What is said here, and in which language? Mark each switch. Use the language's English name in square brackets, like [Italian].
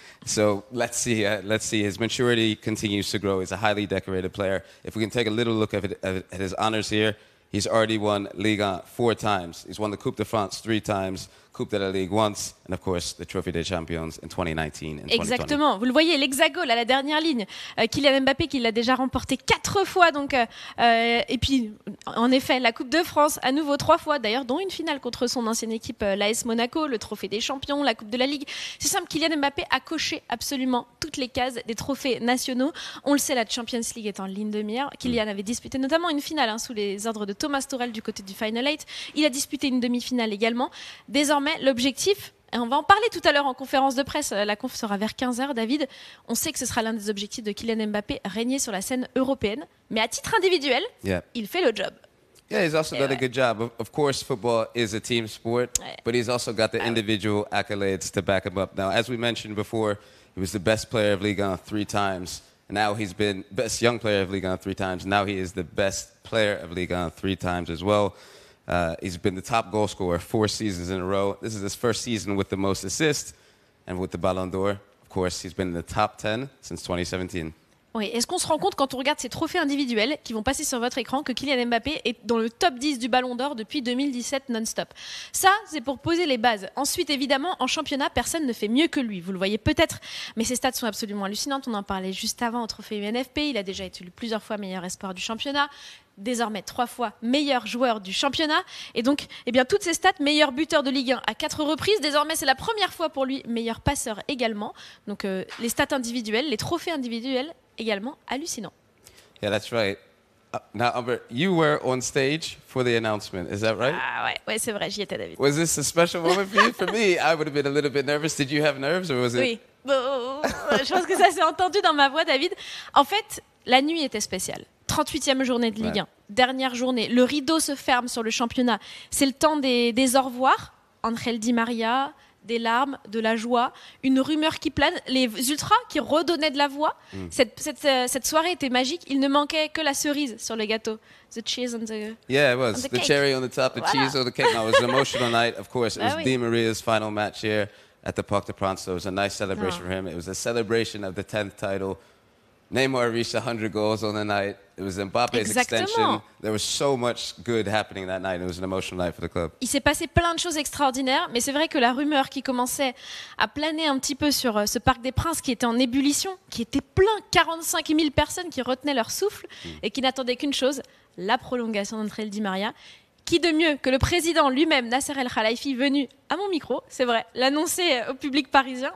[English] So let's see. His maturity continues to grow. He's a highly decorated player. If we can take a little look at his honors here, he's already won Ligue 1 four times. He's won the Coupe de France three times, Coupe de la Ligue once, and of course, the Trophy des Champions in 2019 and 2020. [French] Exactement. Vous le voyez, l'hexagone à la dernière ligne. Kylian Mbappé, qui l'a déjà remporté quatre fois. Donc, et puis, en effet, la Coupe de France, à nouveau trois fois, d'ailleurs, dont une finale contre son ancienne équipe, l'AS Monaco, le Trophée des Champions, la Coupe de la Ligue. C'est simple, Kylian Mbappé a coché absolument toutes les cases des trophées nationaux. On le sait, la Champions League est en ligne de mire. Kylian avait disputé notamment une finale sous les ordres de Thomas Tuchel du côté du Final Eight. Il a disputé une demi-finale également. Désormais, l'objectif, et on va en parler tout à l'heure en conférence de presse, la conf sera vers 15h, David, on sait que ce sera l'un des objectifs de Kylian Mbappé, régner sur la scène européenne, mais à titre individuel, il fait le job. [English] Yeah, he's also done a good job. Of course, football is a team sport, but he's also got the individual accolades to back him up. Now, as we mentioned before, he was the best player of Ligue 1 three times. Now he's been best young player of Ligue 1 three times. Now he is the best player of Ligue 1 three times as well. He's been the top goal scorer four seasons in a row. This is his first season with the most assists and with the Ballon d'Or. Of course, he's been in the top 10 since 2017. [French] Oui, est-ce qu'on se rend compte quand on regarde ces trophées individuels qui vont passer sur votre écran que Kylian Mbappé est dans le top 10 du Ballon d'Or depuis 2017 non-stop? Ça, c'est pour poser les bases. Ensuite, évidemment, en championnat, personne ne fait mieux que lui. Vous le voyez peut-être, mais ses stats sont absolument hallucinantes. On en parlait juste avant au trophée UNFP. Il a déjà été plusieurs fois meilleur espoir du championnat. Désormais trois fois meilleur joueur du championnat. Et donc, eh bien, toutes ces stats, meilleur buteur de Ligue 1 à quatre reprises. Désormais, c'est la première fois pour lui, meilleur passeur également. Donc, les stats individuelles, les trophées individuels, également hallucinant. [English] Yeah, that's right. Now, Albert, you were on stage for the announcement. Is that right? [French] Ah ouais, ouais, c'est vrai, j'y étais, David. [English] Was this a special moment for you? For me, I would have been a little bit nervous. Did you have nerves or was it? [French] Oui. Je pense que ça s'est entendu dans ma voix, David. En fait, la nuit était spéciale. 38e journée de Ligue 1. Ouais. Dernière journée. Le rideau se ferme sur le championnat. C'est le temps des au revoir. Angel Di Maria, des larmes, de la joie, une rumeur qui plane, les ultras qui redonnaient de la voix. Cette soirée était magique. Il ne manquait que la cerise sur le gâteau. [English] The cheese on the cake. Yeah, it was. The cherry on the top, the cheese on the cake. No, it was an emotional night, of course. It was Di Maria's final match here at the Parc des Princes. So it was a nice celebration for him. It was a celebration of the 10th title. Neymar reached 100 goals on the night. It was Mbappé's extension. There was so much good happening that night. It was an emotional night for the club. [French] Il s'est passé plein de choses extraordinaires, mais c'est vrai que la rumeur qui commençait à planer un petit peu sur ce Parc des Princes qui était en ébullition, qui était plein, 45 000 personnes qui retenaient leur souffle et qui n'attendaient qu'une chose, la prolongation d'entre El Di Maria. Qui de mieux que le président lui-même, Nasser El Khelaifi, venu à mon micro, c'est vrai, l'annoncer au public parisien.